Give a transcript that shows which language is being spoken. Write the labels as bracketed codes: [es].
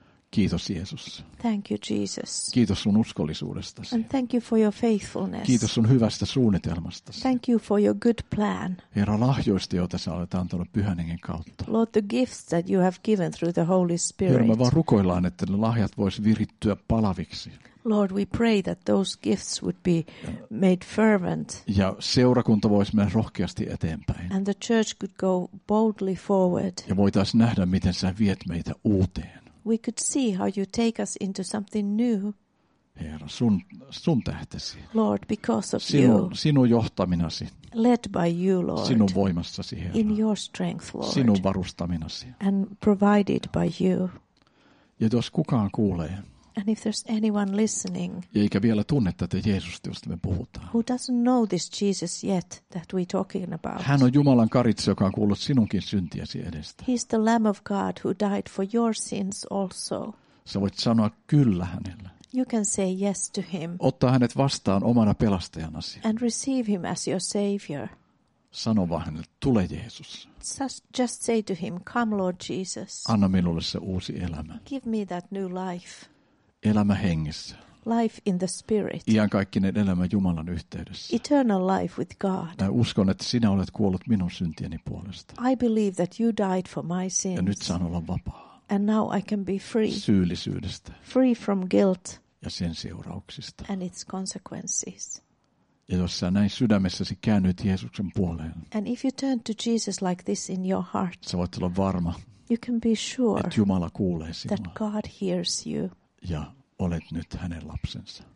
[fi] Kiitos Jeesus. [en] Thank you Jesus. [fi] Kiitos sun uskollisuudestasi. [en] And thank you for your faithfulness. [fi] Kiitos sun hyvästä suunnitelmastasi. [en] Thank you for your good plan. [fi] Herra, lahjoista, joita sä olet antanut Pyhän Hengen kautta. [en] Lord, the gifts that you have given through the Holy Spirit. [fi] Herra, me vaan rukoillaan, että ne lahjat vois virittyä palaviksi. [en] Lord, we pray that those gifts would be made fervent. [fi] Ja seurakunta voisi mennä rohkeasti eteenpäin. [en] And the church could go boldly forward. [fi] Ja voitais nähdä, miten sä viet meitä uuteen. [en] We could see how you take us into something new. [fi] Herra, sun tähtesi. [en] Lord, because of [fi] sinun johtaminasi. [en] Led by you, Lord. [fi] Sinun voimassasi, Herra. [en] In your strength, Lord. [fi] Sinun varustaminasi. [en] And provided by you. [fi] Ja jos kukaan kuulee. [en] And if there's anyone listening. [fi] Eikä vielä tunne tätä Jeesusta, josta me puhutaan. [en] Who doesn't know this Jesus yet that we're talking about. [fi] Hän on Jumalan karitsa, joka on kuullut sinunkin syntiäsi edestä. [en] He's the Lamb of God who died for your sins also. [fi] Sä voit sanoa kyllä hänelle. [en] You can say yes to him. [fi] Ottaa hänet vastaan omana pelastajanasi. [en] And receive him as your savior. [fi] Sano vaan hänelle, tule Jeesus. [en] Just say to him, come Lord Jesus. [fi] Anna minulle se uusi elämä. [en] Give me that new life. [fi] Elämä hengissä. [en] Life in the spirit. [fi] Iankaikkinen elämä Jumalan yhteydessä. [en] Eternal life with God. [fi] Mä uskon, että sinä olet kuollut minun syntieni puolesta. [en] I believe that you died for my sins. [fi] Ja nyt saan olla vapaa. [en] And now I can be free. [fi] Syyllisyydestä. [en] Free from guilt. [fi] Ja sen seurauksista. [en] And its consequences. [fi] Ja jos sä näin sydämessäsi käännyit Jeesuksen puoleen. [en] And if you turn to Jesus like this in your heart. [fi] Sä voit olla varma. [en] You can be sure. [fi] Että Jumala kuulee sinua. [en] That God hears you. [fi] Ja olet nyt hänen lapsensa.